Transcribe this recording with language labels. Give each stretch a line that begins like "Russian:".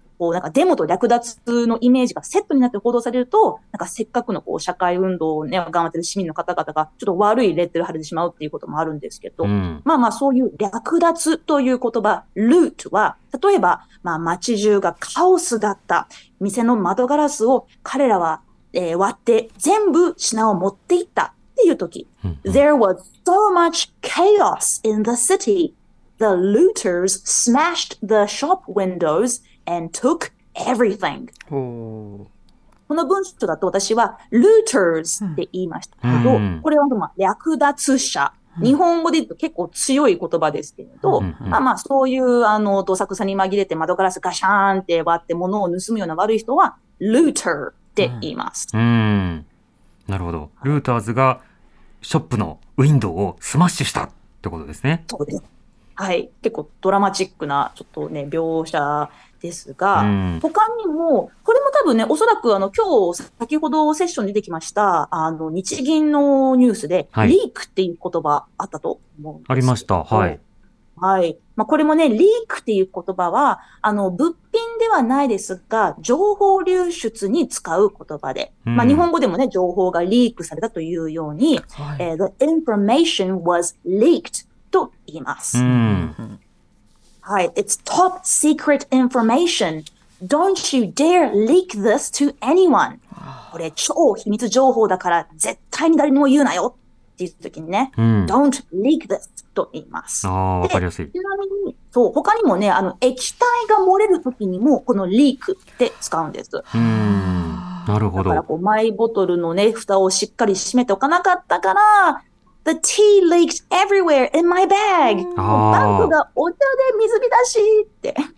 Japanese: こうなんかデモと略奪のイメージがセットになって報道されると、なんかせっかくのこう社会運動をね、頑張ってる市民の方々が、ちょっと悪いレッテル貼れてしまうっていうこともあるんですけど、うん、まあまあそういう略奪という言葉、ルートは、例えば、まあ街中がカオスだった、店の窓ガラスを彼らは、割って全部品を持っていったっていう時、うん、
English: There was so much chaos in the city, the looters smashed the shop windows,and took everything.
Japanese: この文章だと私は looters って言いましたけど、うん、これはまあ略奪者、うん。日本語で言うと結構強い言葉ですけれど、うん、まあまあそういうどさくさに紛れて窓ガラスガシャーンって割って物を盗むような悪い人は looter って言います。うんうん、なるほど。 looters がショップのウィンドウをスマッシュしたってことですね。そうです。はい。結構ドラマチックなちょっとね、描写。ですが、うん、他にも、これも多分ね、おそらく今日、先ほどセッションに出てきました、日銀のニュースで、はい、リークっていう言葉あったと思うんですけど。ありました。はい。はい。まあ、これもね、リークっていう言葉は、物品ではないですが、情報流出に使う言葉で、うん、まあ、日本語でもね、情報がリークされたというように、はい、
English: the information was leaked
Japanese: と言います。うん、
English: はい。It's top secret information. Don't you dare leak this to anyone.
Japanese: これ超秘密情報だから絶対に誰にも言うなよっていう時にね。うん、
English: Don't leak this
Japanese: と言います。ああ、わかりやすい。ちなみに、そう、他にもね、液体が漏れる時にもこの leak って使うんです。なるほど。だからこう、マイボトルのね、蓋をしっかり閉めておかなかったから、
English: The tea leaked everywhere in my bag.
Japanese: バッグがお茶で水浸しって。